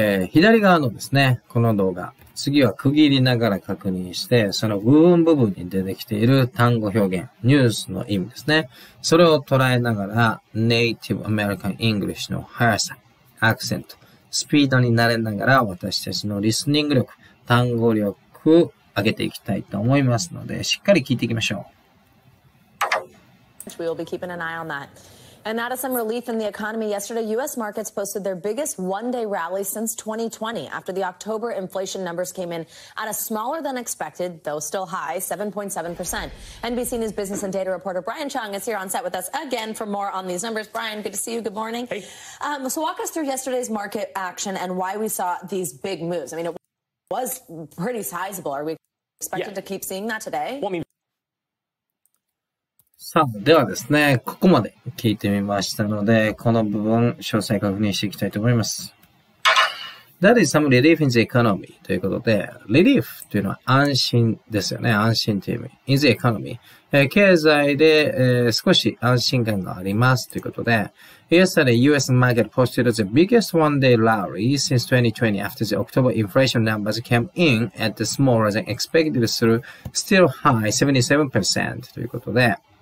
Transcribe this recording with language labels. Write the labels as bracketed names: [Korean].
[Japanese] 左側のですね、この動画、次は区切りながら確認して、その部分部分に出てきている単語表現、ニュースの意味ですね。それを捉えながら、ネイティブアメリカンイングリッシュの速さ、アクセント、スピードに慣れながら、私たちのリスニング力、単語力、上げていきたいと思いますので、しっかり聞いていきましょう。 [English] We will be keeping an eye on that. And that is some relief in the economy. Yesterday, U.S. markets posted their biggest one-day rally since 2020 after the October inflation numbers came in at a smaller than expected, though still high, 7.7%. NBC News business and data reporter Brian Chung is here on set with us again for more on these numbers. Brian, good to see you. Good morning. Hey. So walk us through yesterday's market action and why we saw these big moves. I mean, it was pretty sizable. Are we expected to keep seeing that today? Well, I mean, [Japanese] さあ、ではですね、ここまで聞いてみましたので、この部分、詳細確認していきたいと思います。 [English] That is some relief in the economy [Japanese] ということで、relief というのは安心ですよね。安心という意味。 [English] in the economy。 [Japanese] 経済で、少し安心感がありますということで、 [English] Yesterday, US market posted the biggest one-day rally since 2020 after the October inflation numbers came in at the smaller than expected through still high 77% [Japanese] ということで、